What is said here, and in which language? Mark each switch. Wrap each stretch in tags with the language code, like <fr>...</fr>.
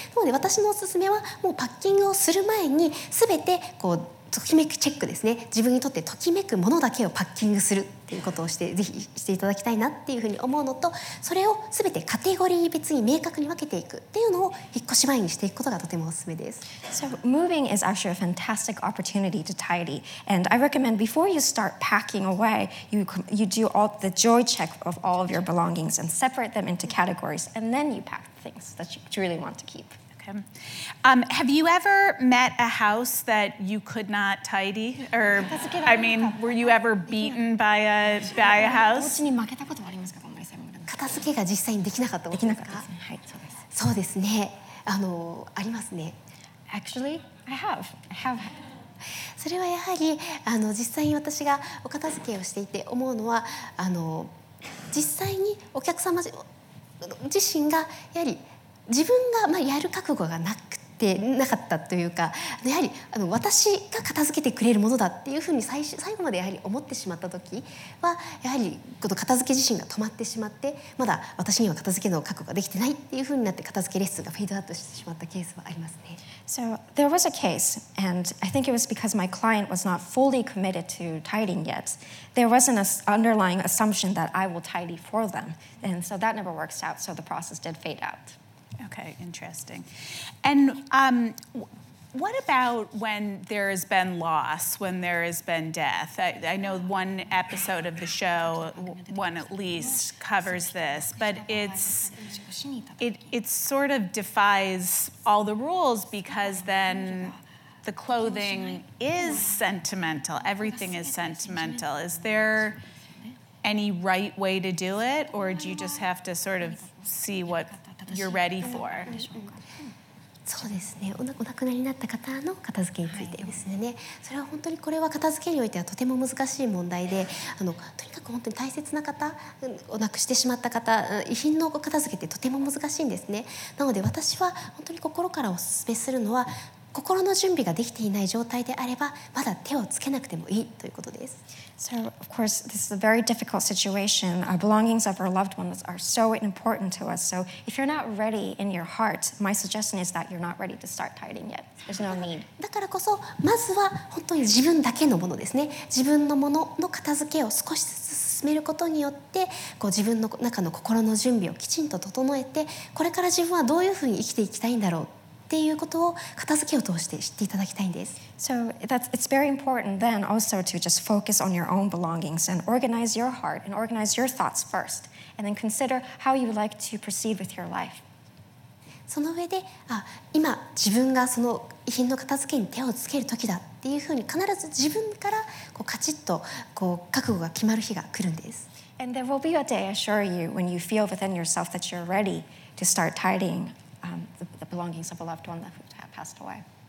<ja>なので私のおすすめはもうパッキングをする前に全てこうときめくチェックですね、自分にとってときめくものだけをパッキングするっていうことをして、ぜひしていただきたいなっていうふうに思うのと、それを全てカテゴリー別に明確に分けていくっていうのを引っ越し前にしていくことがとてもおすすめです。</ja> <en>So moving is actually a fantastic opportunity to tidy, and I recommend before you start packing away, you do all the joy check of all of your belongings and separate them into categories, and then you pack things that you really want to keep Have you ever met a house that you could not tidy? Or, I mean, were you ever beaten by a house?</en> <ja>お家に負けたことはありますか？片付けが実際にできなかったことですか？はい、そうです。そうですね。ありますね。</ja> <en>Actually, I have.</en> <ja>それはやはり、実際に私がお片付けをしていて思うのは、実際にお客様自身がやはり自分がまあやる覚悟がなくてなかったというか、やはり私が片付けてくれるものだっていうふうに最後までやはり思ってしまった時は、やはりこの片付け自身が止まってしまって、まだ私には片付けの覚悟ができてないっていうふうになって、片付けレッスンがフェードアウトしてしまったケースはありますね。</ja> <en>So there was a case, and I think it was because my client was not fully committed to tidying yet. There wasn't an underlying assumption that I will tidy for them, and so that never works out, so the process did fade out. Okay, interesting. And what about when there has been loss, when there has been death? I know one episode of the show, one at least, covers this, but it sort of defies all the rules because then the clothing is sentimental, everything is sentimental. Is there any right way to do it, or do you just have to sort of see whatYou're ready for.</en> <ja>そうですね。お亡くなりになった方の片付けについてですね。それは本当にこれは片付けにおいてはとても難しい問題で、とにかく本当に大切な方、お亡くしてしまった方、遺品の片付けってとても難しいんですね。なので私は本当に心からお勧めするのは、心の準備ができていない状態であれば、まだ手をつけなくてもいいということです。</ja> <en>So, of course, this is a very difficult situation. Our belongings of our loved ones are so important to us. So, if you're not ready in your heart, my suggestion is that you're not ready to start tidying yet. There's no need.</en> <ja>だからこそ、まずは本当に自分だけのものですね。自分のものの片付けを少しずつ進めることによって、こう自分の中の心の準備をきちんと整えて、これから自分はどういうふうに生きていきたいんだろう。っていうことを片付けを通して知っていただきたいんです。</ja> <en>So that's, it's very important then also to just focus on your own belongings and organize your heart and organize your thoughts first and then consider how you would like to proceed with your life.</en> <ja>その上で、あ、今自分がその遺品の片付けに手をつける時だっていうふうに必ず自分からこうカチッとこう覚悟が決まる日が来るんです。</ja> <en>And there will be a day, I assure you, when you feel within yourself that you're ready to start tidying. The belongings of a loved one that passed away.</en>